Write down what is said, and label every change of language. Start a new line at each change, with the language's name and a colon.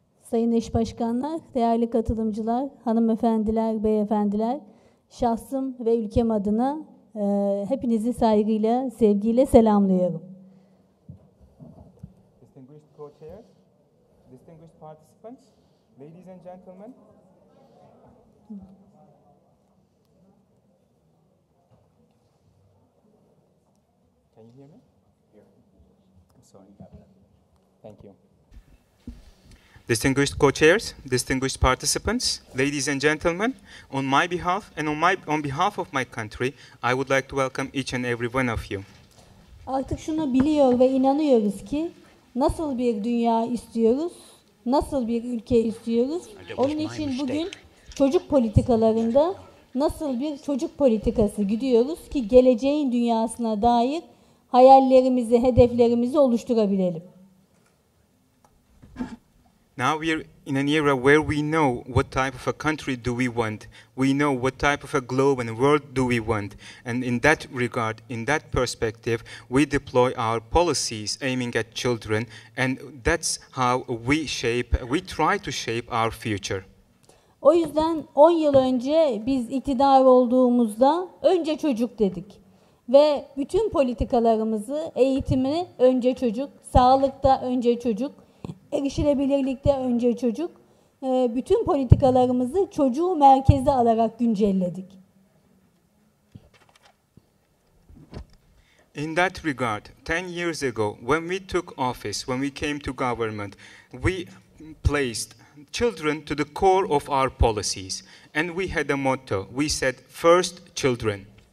Turkish: Sayın Eş Başkanlar, değerli katılımcılar, hanımefendiler, beyefendiler, şahsım ve ülkem adına Hepinizi saygıyla, sevgiyle selamlıyorum.
English: Distinguished co-chairs, distinguished participants, ladies and gentlemen. Can you hear me? Here. I'm sorry about that. Thank you. Distinguished co-chairs, distinguished participants, ladies and gentlemen, on my behalf and on behalf of my country, I would like to welcome each and every one of you.
Turkish: Artık şunu biliyor ve inanıyoruz ki nasıl bir dünya istiyoruz, nasıl bir ülke istiyoruz. Onun için bugün çocuk politikalarında nasıl bir çocuk politikası gidiyoruz ki geleceğin dünyasına dair hayallerimizi, hedeflerimizi oluşturabilelim.
English: Now we are in an era where we know what type of a country do we want. We know what type of a globe and world do we want. And in that regard, in that perspective, we deploy our policies aiming at children. And that's how we try to shape our future.
Turkish: O yüzden 10 yıl önce biz iktidar olduğumuzda önce çocuk dedik. Ve bütün politikalarımızı, eğitimi önce çocuk, sağlıkta önce çocuk. Erişilebilirlikte önce çocuk, bütün politikalarımızı çocuğu merkeze alarak güncelledik.
English: In that regard, 10 years ago, when we took office, when we came to government, we placed children to the core of our policies. And we had a motto, we said, first children.